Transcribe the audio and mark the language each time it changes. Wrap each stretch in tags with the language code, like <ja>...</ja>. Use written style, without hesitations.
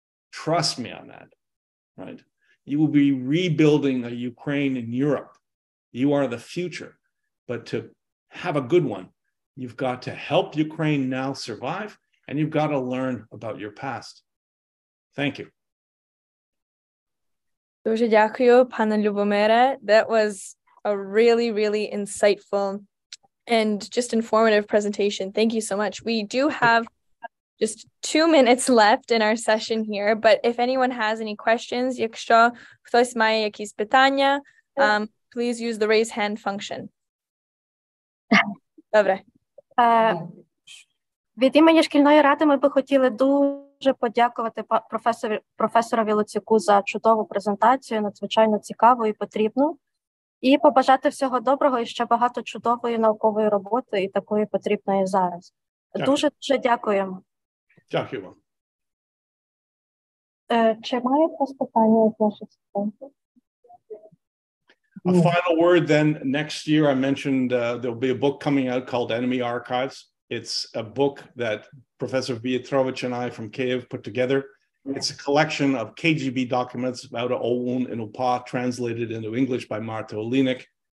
<en>Trust me on that, right? You will be rebuilding a Ukraine in Europe. You are the future. But to have a good one, you've got to help Ukraine now survive, and you've got to learn about your past. Thank you.</en> <uk>Дуже дякую, пане Любомире.</uk> <en>That was a really, really insightful and just informative presentation. Thank you so much. We do have just 2 minutes left in our session here, but if anyone has any questions,</en> <uk>якщо хтось має якісь питання,</uk> <en>please use the raise hand function.</en> <uk>Добре. Від імені шкільної ради ми би хотіли дуже подякувати професорові Луцюку за чудову презентацію, надзвичайно цікаву і потрібну. І побажати всього доброго і ще багато чудової наукової роботи і такої потрібної зараз. Дуже-дуже дякуємо. Дякую вам. Чи має якесь питання від наших студентів?</uk> <en>A final word then. Next year I mentioned there'll be a book coming out called Enemy Archives. It's a book that Professor Vietrovich and I from Kyiv put together. It's a collection of KGB documents about Oun and Upa translated into English by Marta Olinik.</en>